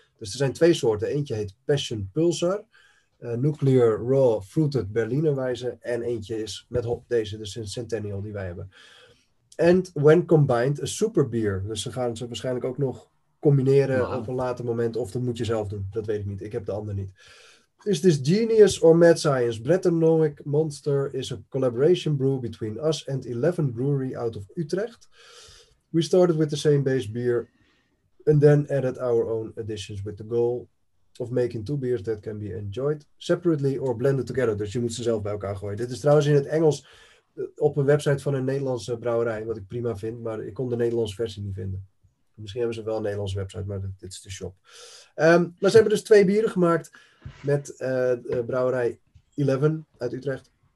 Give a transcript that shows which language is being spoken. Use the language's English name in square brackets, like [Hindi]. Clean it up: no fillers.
[Dutch] Dus er zijn twee soorten. Eentje heet Passion Pulsar, nuclear raw fruited Berlinerweisse. En eentje is met hop, deze, dus een Centennial die wij hebben. [English] And when combined, a super beer. [Dutch] Dus ze gaan ze waarschijnlijk ook nog combineren Wow. op een later moment. Of dat moet je zelf doen. Dat weet ik niet. Ik heb de ander niet. [English] Is this genius or mad science? Brettanomic Monster is a collaboration brew between us and 11 brewery out of Utrecht. We started with the same base beer and then added our own additions with the goal of making two beers that can be enjoyed separately or blended together. [Dutch] Dus je moet ze zelf bij elkaar gooien. Dit is trouwens in het Engels op een website van een Nederlandse brouwerij, wat ik prima vind, maar ik kon de Nederlandse versie niet vinden. Misschien hebben ze wel een Nederlandse website, maar dit is de shop. Maar ze hebben dus twee bieren gemaakt met de brouwerij 11 uit Utrecht.